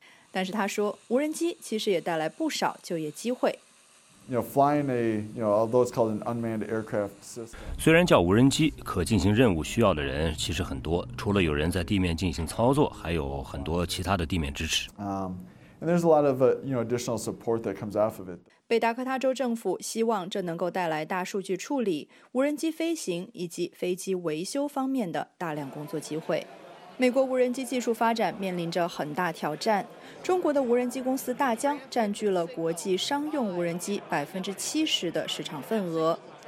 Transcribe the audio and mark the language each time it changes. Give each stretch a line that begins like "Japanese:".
Chinese: 但是他说，无人机其实也带来不少就业机会。虽然叫无人机，可进行任务需要的人其实很多，除了有人在地面进行操作，还有很多其他的地面支持。
English: And there's a lot of, you know, additional support that comes off of it.
Chinese: 北达科他州政府希望这能够带来大数据处理、无人机飞行以及飞机维修方面的大量工作机会。美国无人机技术发展面临着很大挑战。中国的无人机公司大疆占据了国际商用无人机70%的市场份额。